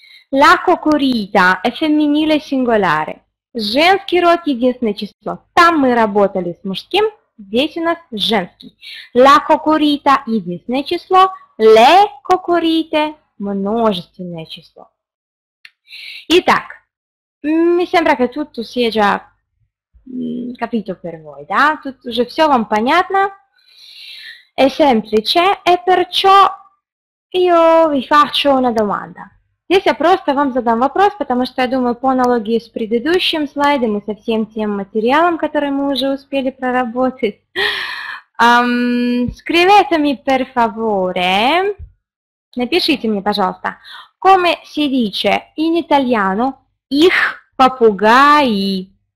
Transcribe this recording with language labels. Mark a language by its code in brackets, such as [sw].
[it] La cocorita è femminile singolare. [ru] Женский род – единственное число. Там мы работали с мужским. Здесь у нас женский. [it] La cocorita [ru] – единственное число. [it] Le cocorite [ru] – множественное число. [it] Итак, mi sembra che tutto sia già capito per voi, да? [ru] Тут уже все вам понятно. [it] È semplice e perciò io vi faccio una domanda. [ru] Если я просто вам задам вопрос, потому что я думаю, по аналогии с предыдущим слайдом и со всем тем материалом, который мы уже успели проработать. [it] Scrivetemi per favore, [ru] напишите мне, пожалуйста, [it] come si dice in italiano [ru] их папугаи?